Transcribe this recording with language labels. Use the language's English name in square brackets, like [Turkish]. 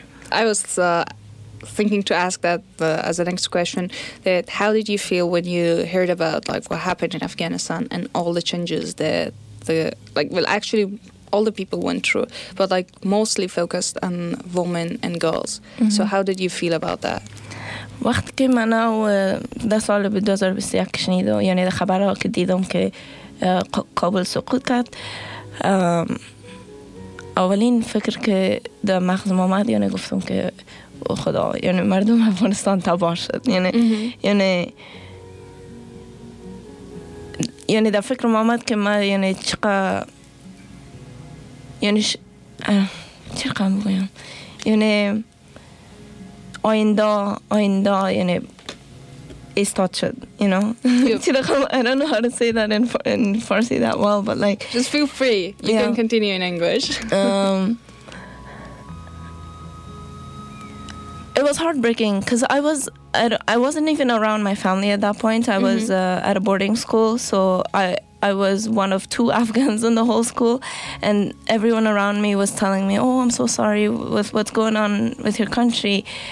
[English] I was thinking to ask that as the next question, that how did you feel when you heard about, like, what happened in Afghanistan and all the changes that the, like, well, actually, all the people went through, but, like, mostly focused on women and girls. Mm-hmm. So how did you feel about that? [Persian] وقتی که من او دسال به 2021 شنیدم، یعنی خبرها که دیدم که کابل سقوط کرد، اولین فکر که در مغزم آمد، یعنی گفتم که خدا، یعنی مردم افغانستان تباه شد، یعنی در فکرم آمد که من یعنی آینده یعنی استاد شد، [English] you know. I don't know how to say that in Farsi that well, but like just feel free. You can continue in English. It was heartbreaking because I wasn't even around my family at that point. I was at a boarding school, so I was one of two Afghans in the whole school, and everyone around me was telling me, oh, I'm so sorry with what's going on with your country.